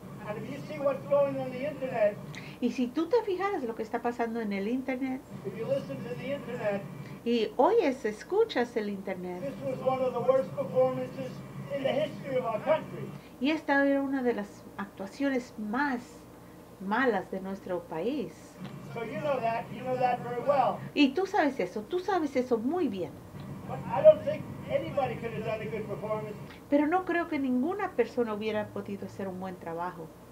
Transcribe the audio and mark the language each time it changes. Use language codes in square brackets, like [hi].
[en] And if you see what's going on the internet. [es] Y si tú te fijas lo que está pasando en el internet. [en] If you listen to the internet. [es] Y oyes, escuchas el internet. [en] This was one of the worst performances in the history of our country. [es] Y esta era una de las actuaciones más malas de nuestro país. [en] So you know that very well. [es] Y tú sabes eso muy bien. [en] But I don't think anybody could have done a good performance. [es] Pero no creo que ninguna persona hubiera podido hacer un buen trabajo.